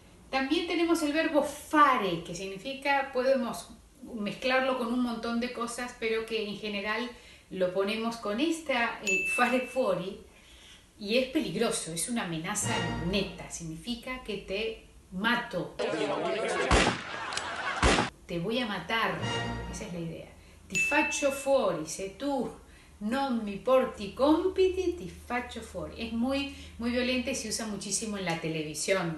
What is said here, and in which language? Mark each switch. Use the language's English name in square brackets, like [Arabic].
[Spanish] También tenemos el verbo fare, que significa, podemos mezclarlo con un montón de cosas, pero que en general lo ponemos con esta fare fuori, y es peligroso, es una amenaza neta, significa que te mato. Te voy a matar, esa es la idea. [Italian] Ti faccio fuori, se tu non mi porti compiti, ti faccio fuori. [Spanish] Es muy violenta y se usa muchísimo en la televisión.